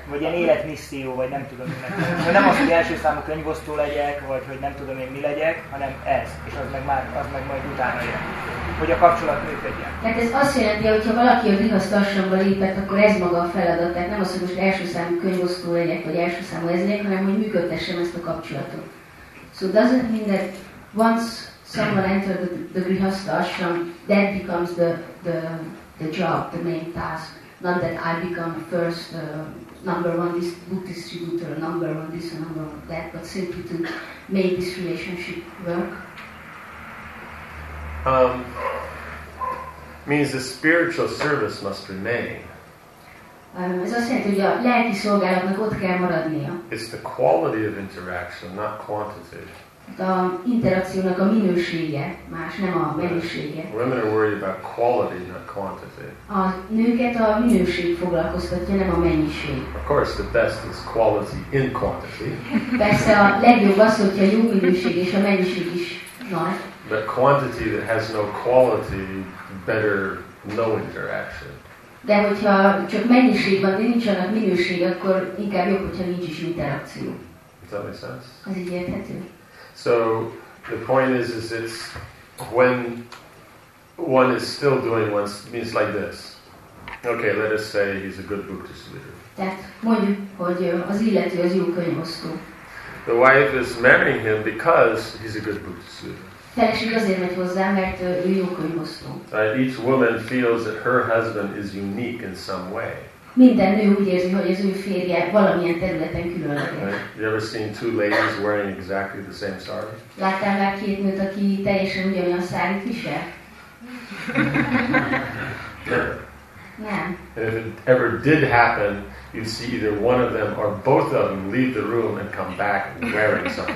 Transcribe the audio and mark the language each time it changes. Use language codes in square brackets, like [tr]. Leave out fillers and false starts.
[hu] Vagy ilyen életmisszió, vagy nem tudom, hogy szóval nem az, hogy első számú könyvosztó legyek, vagy hogy nem tudom én mi legyek, hanem ez, és az meg majd utána jön, hogy a kapcsolat működjen. Tehát ez azt jelenti, hogyha valaki a grihasztha asramba lépett, akkor ez maga a feladat. Tehát nem az, hogy most első számú könyvosztó legyek, vagy első számú ez legyek, hanem hogy működtessem ezt a kapcsolatot. [en] So, does that mean that once someone entered the grihasztha asram, that becomes the job, the main task? Not that I become first number one book distributor, number one this and number one that, but simply to make this relationship work. Means the spiritual service must remain. [hu] Ez azt jelenti, hogy a lelki szolgálatnak ott kell maradnia. [en] It's the quality of interaction, not quantity. [hu] A interakciónak a minősége más, nem a mennyisége. [en] Women are worried about quality, not quantity. [hu] A nőket a minőség foglalkoztatja, nem a mennyiség. [en] Of course, the best is quality in quantity. [hu] Persze a legjobb az, hogyha jó minőség és a mennyiség is nagy. [en] But quantity that has no quality, better no interaction. [hu] De hogyha csak mennyiség van, de nincsenek minőség, akkor inkább jobb, hogyha nincs is interakció. [en] Does that make sense? [hu] Az így érthető. [en] So the point is it's when one is still doing one's means like this. Okay, let us say he's a good book distributor. [hu] Tehát mondjuk, hogy az illető az jó könyvosztó. [en] The wife is marrying him because he's a good book distributor. [hu] Feleség azért megy hozzá, mert ő jó könyvosztó. [en] Each woman feels that her husband is unique in some way. [hu] Minden nő úgy érzi, hogy az ő férje valamilyen területen különleges. [en] You ever seen two ladies wearing exactly the same sari? [hu] Láttál már két nőt, aki teljesen ugyanolyan sárit visel? Nem. [en] If it ever did happen, you'd see either one of them or both of them leave the room and come back wearing something